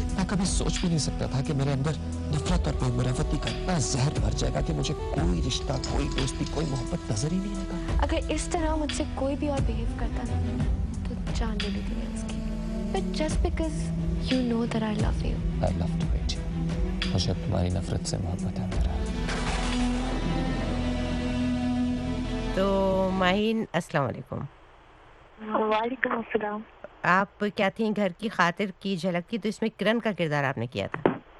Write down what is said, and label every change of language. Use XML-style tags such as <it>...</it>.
<ur>کبھی سوچ بھی نہیں سکتا تھا کہ میرے اندر نفرت اور بے مروتی کا اتنا زہر بھر جائے گا کہ مجھے کوئی رشتہ, کوئی دوستی, کوئی محبت نظر ہی نہیں آئے گا. اگر اس طرح مجھ سے کوئی بھی اور بیہیو کرتا نا تو جان لے لیتی میں اس کی.</ur> <en>But just because you know that I love you. I love to wait.</en> <ur>مجھے تمہاری نفرت سے محبت ہے میرا. تو ماہین, السلام علیکم. وعلیکم السلام. آپ کیا تھیں گھر کی خاطر کی جھلک کی, تو اس میں کرن کا کردار آپ نے کیا تھا.</ur>